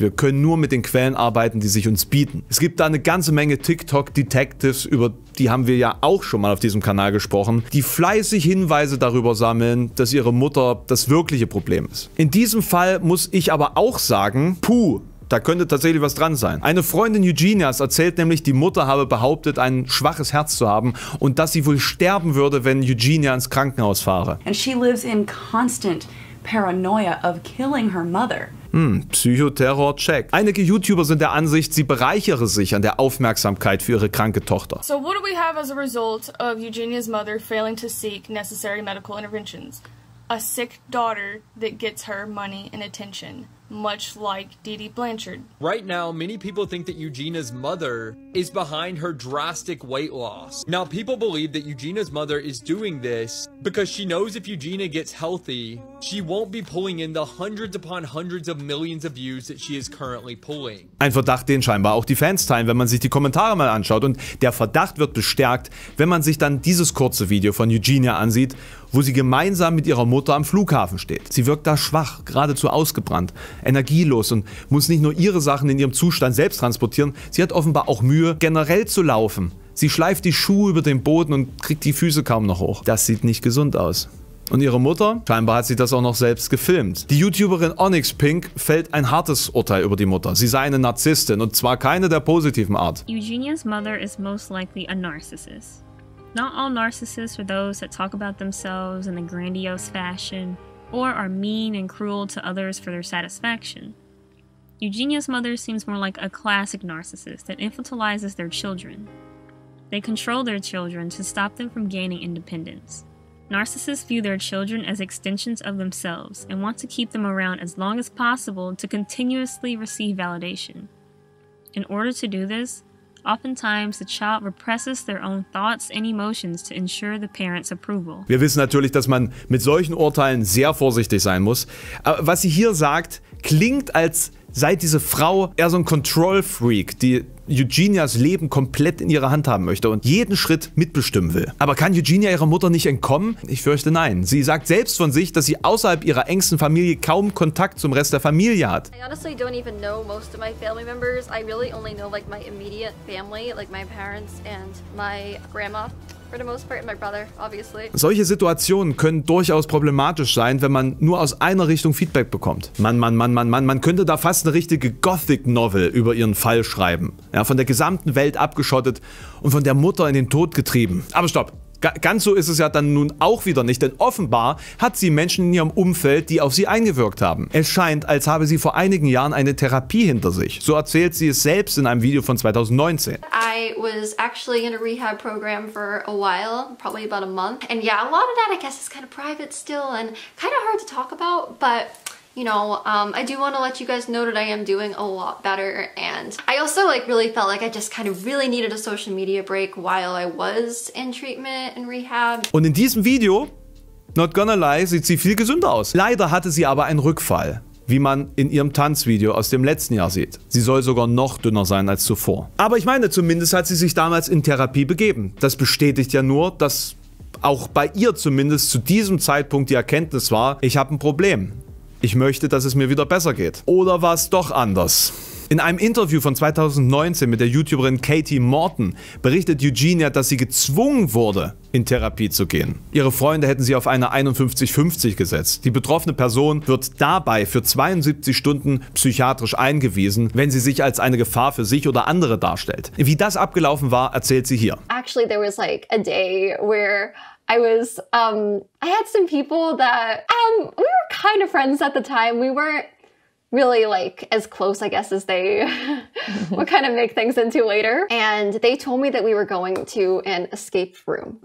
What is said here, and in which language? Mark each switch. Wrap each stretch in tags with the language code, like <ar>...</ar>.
<de>Wir können nur mit den Quellen arbeiten, die sich uns bieten. Es gibt da eine ganze Menge TikTok-Detectives, über die haben wir ja auch schon mal auf diesem Kanal gesprochen, die fleißig Hinweise darüber sammeln, dass ihre Mutter das wirkliche Problem ist. In diesem Fall muss ich aber auch sagen, puh, da könnte tatsächlich was dran sein. Eine Freundin Eugenias erzählt nämlich, die Mutter habe behauptet, ein schwaches Herz zu haben und dass sie wohl sterben würde, wenn Eugenia ins Krankenhaus fahre.</de> <en>And she lives in constant paranoia of killing her mother.</en> <de>Psychoterror-Check. Einige YouTuber sind der Ansicht, sie bereichere sich an der Aufmerksamkeit für ihre kranke Tochter.</de> <en>So what do we have as a result of Eugenia's mother failing to seek necessary medical interventions? A sick daughter that gets her money and attention. Much like Dee Dee Blanchard. Right now, many people think that Eugenia's mother is behind her drastic weight loss. Now, people believe that Eugenia's mother is doing this because she knows if Eugenia gets healthy, she won't be pulling in the hundreds upon hundreds of millions of views that she is currently pulling.</en> <de>Ein Verdacht, den scheinbar auch die Fans teilen, wenn man sich die Kommentare mal anschaut. Und der Verdacht wird bestärkt, wenn man sich dann dieses kurze Video von Eugenia ansieht, wo sie gemeinsam mit ihrer Mutter am Flughafen steht. Sie wirkt da schwach, geradezu ausgebrannt, energielos und muss nicht nur ihre Sachen in ihrem Zustand selbst transportieren, sie hat offenbar auch Mühe, generell zu laufen. Sie schleift die Schuhe über den Boden und kriegt die Füße kaum noch hoch. Das sieht nicht gesund aus. Und ihre Mutter? Scheinbar hat sie das auch noch selbst gefilmt. Die YouTuberin Onyx Pink fällt ein hartes Urteil über die Mutter. Sie sei eine Narzisstin und zwar keine der positiven Art.</de> <en>Eugenia's mother is most likely a narcissist. Not all narcissists are those that talk about themselves in a grandiose fashion or are mean and cruel to others for their satisfaction. Eugenia's mother seems more like a classic narcissist that infantilizes their children. They control their children to stop them from gaining independence. Narcissists view their children as extensions of themselves and want to keep them around as long as possible to continuously receive validation. In order to do this, oftentimes the child represses their own thoughts and emotions to ensure the parents' approval.</en> <de>Wir wissen natürlich, dass man mit solchen Urteilen sehr vorsichtig sein muss. Aber was sie hier sagt, klingt, als sei diese Frau eher so ein Control-Freak, die Eugenias Leben komplett in ihre Hand haben möchte und jeden Schritt mitbestimmen will. Aber kann Eugenia ihrer Mutter nicht entkommen? Ich fürchte nein. Sie sagt selbst von sich, dass sie außerhalb ihrer engsten Familie kaum Kontakt zum Rest der Familie hat.</de> <en>I honestly don't even know most of my family members. I really only know like my immediate family, like my parents and my grandma. For the most part, my brother, obviously.</en> <de>Solche Situationen können durchaus problematisch sein, wenn man nur aus einer Richtung Feedback bekommt. Mann, man könnte da fast eine richtige Gothic-Novel über ihren Fall schreiben. Ja, von der gesamten Welt abgeschottet und von der Mutter in den Tod getrieben. Aber stopp! Ganz so ist es ja dann nun auch wieder nicht, denn offenbar hat sie Menschen in ihrem Umfeld, die auf sie eingewirkt haben. Es scheint, als habe sie vor einigen Jahren eine Therapie hinter sich. So erzählt sie es selbst in einem Video von 2019.</de> <en>I was actually in a rehab program for a while, probably about a month. And yeah, a lot of that I guess is kind of private still and kind of hard to talk about, but you know, I do want to let you guys know that I am doing a lot better. And I also like really felt like I just kind of really needed a social media break while I was in treatment and rehab.</en> <de>Und in diesem Video,</de> <en>not gonna lie,</en> <de>sieht sie viel gesünder aus. Leider hatte sie aber einen Rückfall, wie man in ihrem Tanzvideo aus dem letzten Jahr sieht. Sie soll sogar noch dünner sein als zuvor. Aber ich meine, zumindest hat sie sich damals in Therapie begeben. Das bestätigt ja nur, dass auch bei ihr zumindest zu diesem Zeitpunkt die Erkenntnis war, ich habe ein Problem. Ich möchte, dass es mir wieder besser geht. Oder war es doch anders? In einem Interview von 2019 mit der YouTuberin Katie Morton berichtet Eugenia, dass sie gezwungen wurde, in Therapie zu gehen. Ihre Freunde hätten sie auf eine 51-50 gesetzt. Die betroffene Person wird dabei für 72 Stunden psychiatrisch eingewiesen, wenn sie sich als eine Gefahr für sich oder andere darstellt. Wie das abgelaufen war, erzählt sie hier.</de> <en>Actually, there was like a day where I was, I had some people that, we were kind of friends at the time. We weren't really like as close, I guess, as they would kind of make things into later. And they told me that we were going to an escape room.</en>